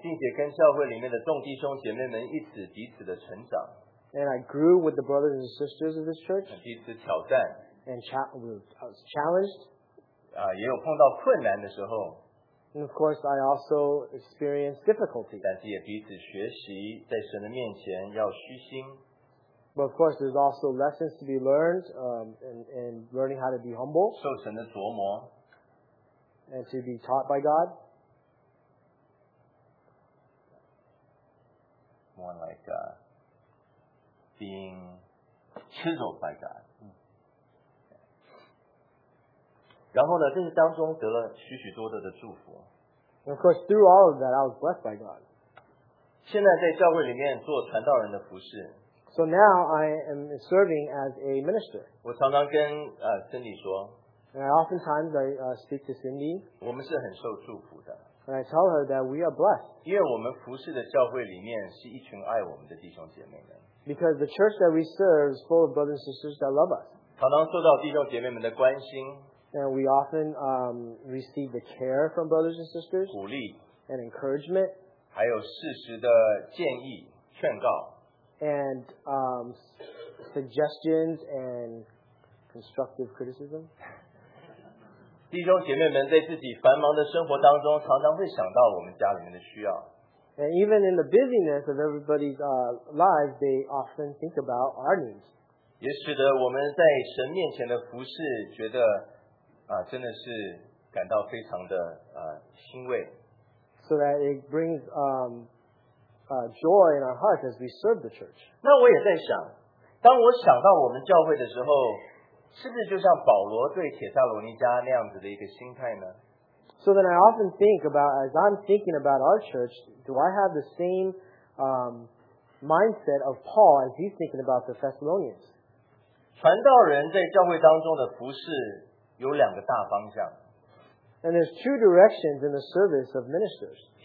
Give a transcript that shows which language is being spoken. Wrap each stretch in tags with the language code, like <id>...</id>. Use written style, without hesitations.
<zh>并且跟教会里面的众弟兄姐妹们一起彼此的成长,</zh> <en>and I grew with the brothers and sisters of this church,</en> <zh>彼此挑战,</zh> <en>and I was challenged,</en> <zh>也有碰到困难的时候,</zh> <en>and of course, I also experienced difficulty.</en> <zh>但是也彼此学习在神的面前要虚心。</zh> <en>But of course, there's also lessons to be learned in learning how to be humble.</en> <zh>受神的琢磨。</zh> <en>And to be taught by God. More like being chiseled by God.</en> <zh>然后呢，这是当中得了许许多多的祝福。</zh> <en>Of course, through all of that, I was blessed by God.</en> <zh>现在在教会里面做传道人的服事,</zh> <en>so now I am serving as a minister.</en> <zh>我常常跟, Cindy说,</zh> <en>and I oftentimes I speak to Cindy.</en> <zh>我们是很受祝福的,</zh> <en>And I tell her that we are blessed.</en> <zh>因为我们服侍的教会里面是一群爱我们的弟兄姐妹们。</zh> <en>Because the church that we serve is full of brothers and sisters that love us.</en> <zh>常常受到弟兄姐妹们的关心,</zh> <en>and we often receive the care from brothers and sisters,</en> <zh>鼓励,</zh> <en>and encouragement,</en> <zh>还有适时的建议, 劝告,</zh> <en>and suggestions and constructive criticism.</en> <zh>弟兄姐妹们在自己繁忙的生活当中, 常常会想到我们家里面的需要。</zh> <en>And even in the busyness of everybody's lives, they often think about our needs.</en> <zh>也使得我们在神面前的服侍觉得, 真的是感到非常的, 欣慰。</zh> <en>So that it brings joy in our hearts as we serve the church.</en> <zh>那我也在想, 当我想到我们教会的时候, 是不是就像保罗对帖撒罗尼迦那样子的一个心态呢?</zh> <en>So then I often think about, as I'm thinking about our church, do I have the same mindset of Paul as he's thinking about the Thessalonians?</en> <zh>传道人在教会当中的服事有两个大方向。</zh> <en>And there's two directions in the service of ministers.</en>